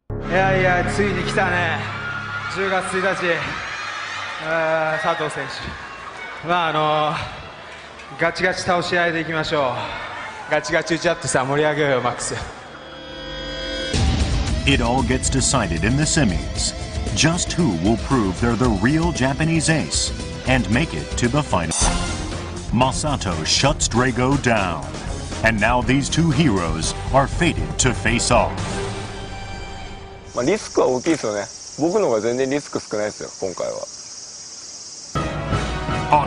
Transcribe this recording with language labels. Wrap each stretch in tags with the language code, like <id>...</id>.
<ja>いやいや、ついに来たね、10月1日、佐藤選手、まあガチガチ倒し合いでいきましょう、ガチガチ打ち合ってさ、盛り上げようよ、マックス。</ja> <en>It all gets decided in the semis. Just who will prove they're the real Japanese ace and make it to the final? Masato shuts Drago down, and now these two heroes are fated to face off.</en> <ja>まあ、リスクは大きいですよね。僕の方が全然リスク少ないですよ、今回は。</ja>